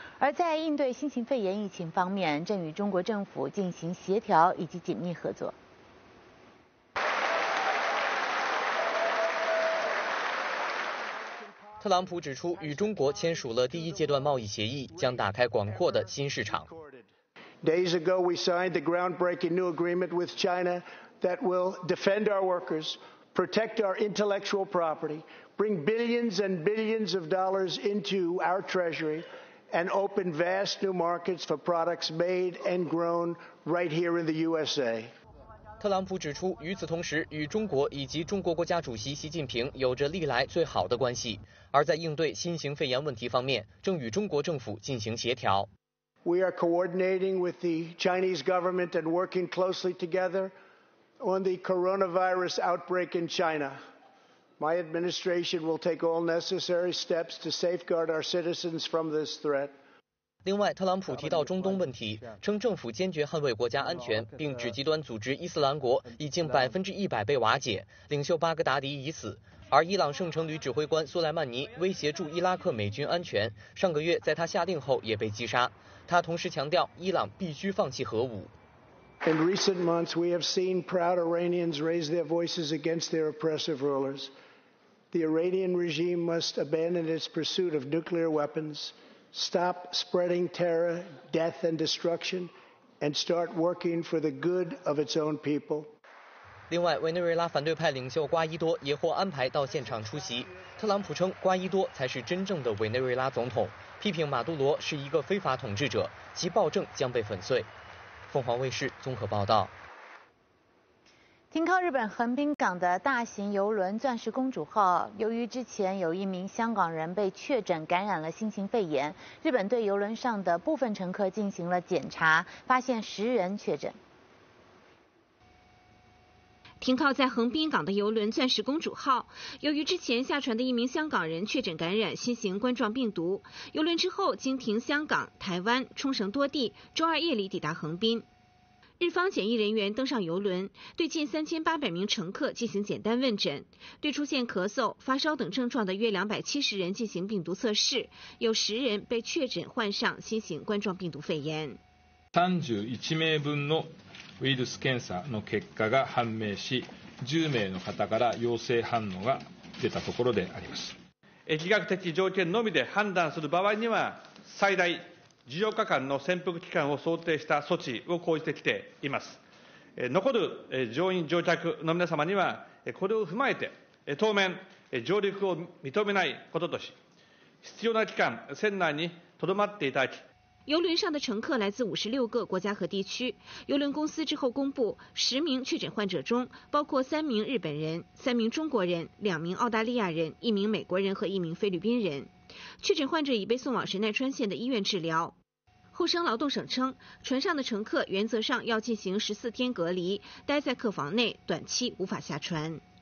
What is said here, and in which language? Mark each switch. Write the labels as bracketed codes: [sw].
[zh] 而在应对新型肺炎疫情方面，正与中国政府进行协调以及紧密合作。特朗普指出，与中国签署了第一阶段贸易协议，将打开广阔的新市场。 [en] Days ago, we signed the groundbreaking new agreement with China that will defend our workers, protect our intellectual property, bring billions and billions of dollars into our treasury, and open vast new markets for products made and grown right here in the USA. [zh] 特朗普指出，与此同时，与中国以及中国国家主席习近平有着历来最好的关系，而在应对新型肺炎问题方面，正与中国政府进行协调。 [en] We are coordinating with the Chinese government and working closely together on the coronavirus outbreak in China. My administration will take all necessary steps to safeguard our citizens from this threat. [zh] 另外，特朗普提到中东问题，称政府坚决捍卫国家安全，并指极端组织伊斯兰国已经100%被瓦解，领袖巴格达迪已死。而伊朗圣城旅指挥官苏莱曼尼威胁驻伊拉克美军安全，上个月在他下令后也被击杀。他同时强调，伊朗必须放弃核武。 [en] In recent months, we have seen proud Iranians raise their voices against their oppressive rulers. The Iranian regime must abandon its pursuit of nuclear weapons, stop spreading terror, death, and destruction, and start working for the good of its own people. [zh] 另外，委内瑞拉反对派领袖瓜伊多也获安排到现场出席。特朗普称，瓜伊多才是真正的委内瑞拉总统。批评马杜罗是一个非法统治者，其暴政将被粉碎。凤凰卫视综合报道。停靠日本横滨港的大型邮轮钻石公主号，由于之前有一名香港人被确诊感染了新型肺炎，日本对邮轮上的部分乘客进行了检查，发现十人确诊。停靠在横滨港的邮轮钻石公主号，由于之前下船的一名香港人确诊感染新型冠状病毒，邮轮之后经停香港、台湾、冲绳多地，周二夜里抵达横滨。日方检疫人员登上邮轮，对近3800名乘客进行简单问诊，对出现咳嗽、发烧等症状的约270人进行病毒测试，有10人被确诊患上新型冠状病毒肺炎。 [ja] 31名分のウイルス検査の結果が判明し、10名の方から陽性反応が出たところであります。疫学的条件のみで判断する場合には最大14日間の潜伏期間を想定した措置を講じてきています。残る乗員乗客の皆様にはこれを踏まえて当面上陸を認めないこととし、必要な期間船内に留まっていただき。 [zh] 邮轮上的乘客来自56个国家和地区。邮轮公司之后公布，10名确诊患者中包括3名日本人、3名中国人、2名澳大利亚人、1名美国人和1名菲律宾人。确诊患者已被送往神奈川县的医院治疗。厚生劳动省称，船上的乘客原则上要进行14天隔离，待在客房内，短期无法下船。